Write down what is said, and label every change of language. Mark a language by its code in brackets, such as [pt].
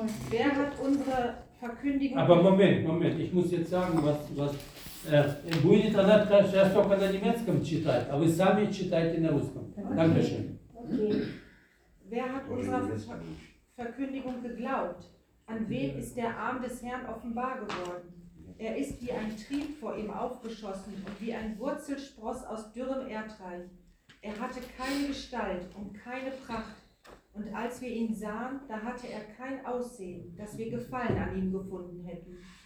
[de] Wer hat unsere Verkündigung... Aber Moment, ich muss jetzt sagen, was... [ru] Будет она сейчас только на немецком читать, а вы сами читайте на русском. [de] Danke schön. Wer hat unsere Verkündigung geglaubt? An wen ist der Arm des Herrn offenbar geworden? Er ist wie ein Trieb vor ihm aufgeschossen und wie ein Wurzelspross aus dürrem Erdreich. Er hatte keine Gestalt und keine Pracht. Und als wir ihn sahen, da hatte er kein Aussehen, dass wir Gefallen an ihm gefunden hätten.